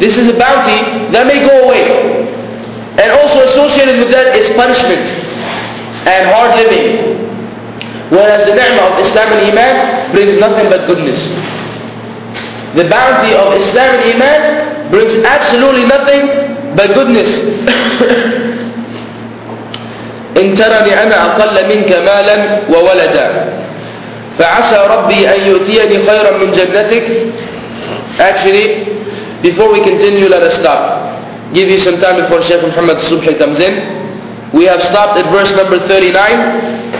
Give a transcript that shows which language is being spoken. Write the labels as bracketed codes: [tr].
[en] This is a bounty that may go away. And also associated with that is punishment and hard living. Whereas the ni'mah of Islam and Iman brings nothing but goodness. The bounty of Islam and Iman brings absolutely nothing but goodness. [ar] إن ترني أنا أقل منك مالا وولدا فعسى ربي أن يؤتيني خيرا من جنتك. [en] Actually, before we continue, let us stop. Give you some time before Shaykh Muhammad Subhi comes in. We have stopped at verse number 39.